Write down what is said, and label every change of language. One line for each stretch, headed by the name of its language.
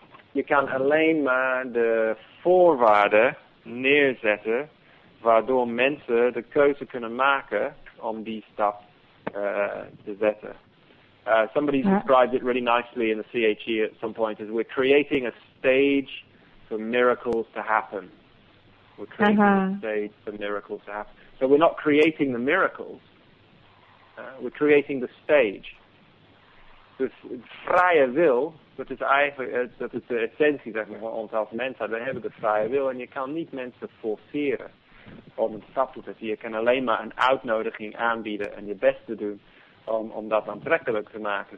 Dutch: Je kan alleen maar de voorwaarden neerzetten waardoor mensen de keuze kunnen maken om die stap te zetten.
English: Somebody described it really nicely in the CHE at some point as we're creating a stage for miracles to happen. We're creating a stage for miracles to happen. So we're not creating the miracles, we're creating the stage.
Dutch: Dus vrije wil, dat is eigenlijk, dat is de essentie zeg maar, van ons als mensen. We hebben de vrije wil en je kan niet mensen forceren om een stap te zetten. Je kan alleen maar een uitnodiging aanbieden en je best te doen om dat aantrekkelijk te maken.